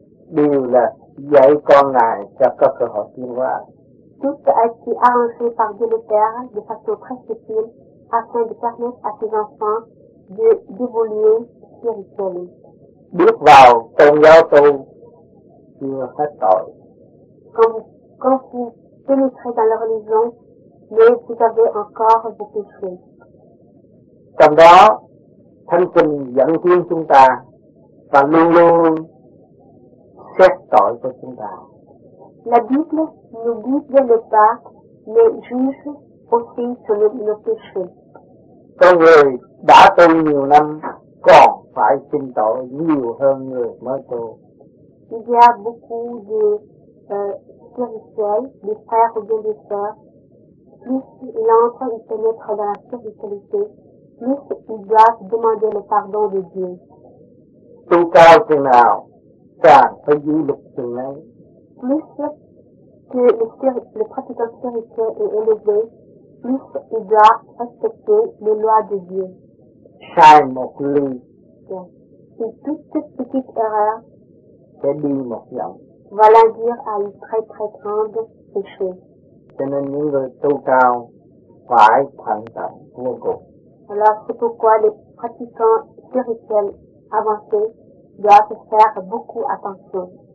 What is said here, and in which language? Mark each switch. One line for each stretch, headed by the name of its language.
Vietnamese: Điều là dạy con ngài cho có cơ hội tiến hóa.
French: Tout ce a été arrangé par Dieu le Père de façon très subtile afin de permettre à ses enfants d'évoluer spirituellement.
Vietnamese: Bước vào tôn giáo tu chưa hết tội.
French: Quand vous pénétrez dans la religion, mais vous avez encore vos péchés.
Vietnamese: Trong đó Thánh Kinh dẫn tiến chúng ta và luôn luôn xét tội của chúng ta.
French: La Bible nous dit dès le départ mais juge aussi sur nos péchés.
Vietnamese: Con người đã tu nhiều năm còn phải xin tội nhiều hơn người mới tu.
French: Il y a beaucoup de spirituels, des frères ou bien des sœurs, plus il est en train de se mettre dans la spiritualité, plus ils doivent demander le pardon de Dieu.
Vietnamese: Tu cao chừng nào, càng phải giữ lực chừng ấy.
French: Plus que le pratiquant spirituel est élevé, plus il doit respecter les lois de Dieu.
Vietnamese: Sai một ly. Yeah.
French: Et toute cette petite erreur
Vietnamese: sẽ đi một dòng.
French: Va l'induire à une très très grande péché.
Vietnamese: Cho nên những người tu cao phải thận trọng vô cùng.
French: Alors c'est pourquoi les pratiquants spirituels avancés doivent faire beaucoup attention.